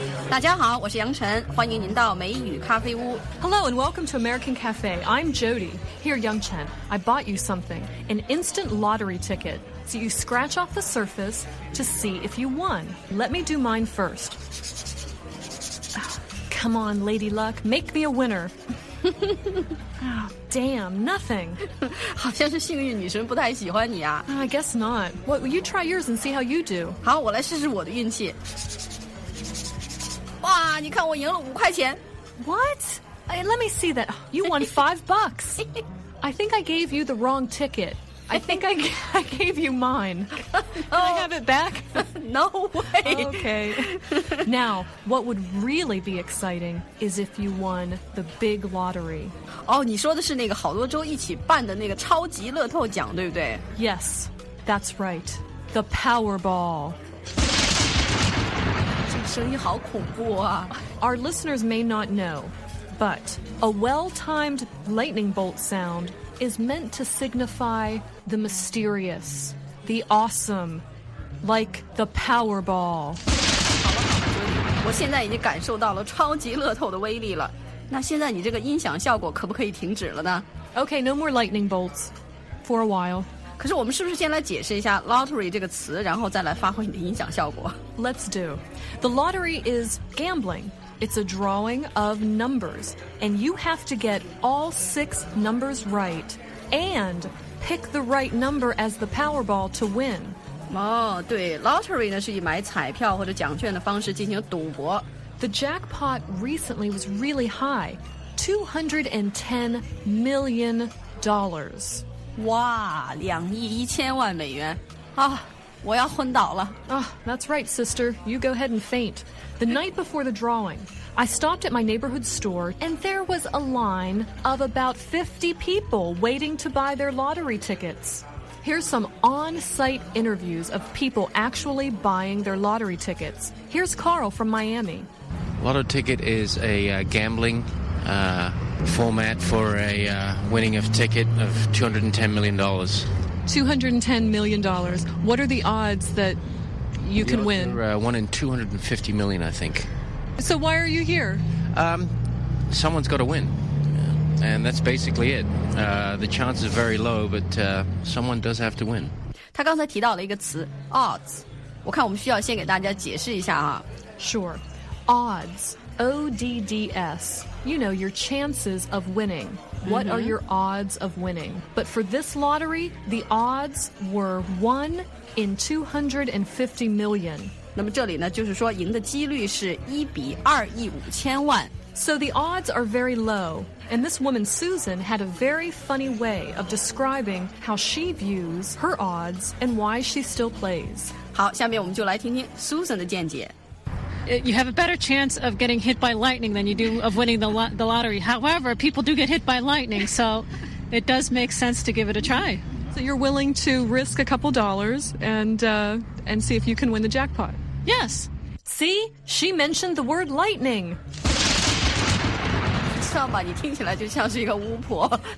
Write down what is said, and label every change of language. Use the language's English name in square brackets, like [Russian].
[Chinese] 大家好，我是杨晨，欢迎您到美语咖啡屋。 [English] Hello and welcome to American Cafe. I'm Jody. Here, Yang Chen, I bought you something, an instant lottery ticket. So you scratch off the surface to see if you won. Let me do mine first. Come on, Lady Luck, make me a winner. Damn, nothing. [Chinese] 好像是幸运女神不太喜欢你啊。 [English] I guess not. Well, you try yours and see how you do. [Chinese] 好，我来试试我的运气。哇，你看我赢了5块钱。 [English] What? Hey, let me see that. You won $5. I think I gave you the wrong ticket. I think I gave you mine. Can I have it back? No way. Okay. Now, what would really be exciting is if you won the big lottery. [Chinese] 哦，你说的是那个好多州一起办的那个超级乐透奖，对不对？ [English] Yes, that's right. The Powerball. [Chinese] 这声音好恐怖啊。 [English] Our listeners may not know, but a well-timed lightning bolt sound is meant to signify the mysterious, the awesome, like the Powerball. [Chinese] 好了好了，兄弟，我现在已经感受到了超级乐透的威力了。那现在你这个音响效果可不可以停止了呢？ [English] Okay, no more lightning bolts for a while. [Chinese] 可是我们是不是先来解释一下 lottery 这个词，然后再来发挥你的音响效果？ [English] Let's do. The lottery is gambling. It's a drawing of numbers, and you have to get all 6 numbers right and pick the right number as the Powerball to win. [Chinese] 哦，对 ,lottery 呢是以买彩票或者奖券的方式进行赌博。 [English] The jackpot recently was really high, $210 million. [Chinese] 哇，2亿1000万美元。啊，我要昏倒了。 [English] Oh, that's right, sister. You go ahead and faint. The night before the drawing, I stopped at my neighborhood store, and there was a line of about 50 people waiting to buy their lottery tickets. Here's some on-site interviews of people actually buying their lottery tickets. Here's Carl from Miami. Lotto ticket is a gambling format for a winning of ticket of $210 million. $210 million. What are the odds that you can win? You're one in 250 million, I think. So why are you here? Someone's got to win. And that's basically it. The chance is very low, but someone does have to win. [Chinese] 他刚才提到了一个词 odds. 我看我们需要先给大家解释一下啊。 [English] Sure. Odds. O-D-D-S. You know, your chances of winning. What are your odds of winning? But for this lottery, the odds were 1 in 250 million. [Chinese] 那么这里呢，就是说赢的几率是1比2亿5千万。 [English] So the odds are very low. And this woman, Susan, had a very funny way of describing how she views her odds and why she still plays. [Chinese] 好，下面我们就来听听 Susan 的见解。 [English] You have a better chance of getting hit by lightning than you do of winning the lottery. However, people do get hit by lightning, so it does make sense to give it a try. So you're willing to risk a couple dollars and see if you can win the jackpot? Yes. See? She mentioned the word lightning. [Chinese] 知道吧，你听起来就像是一个巫婆。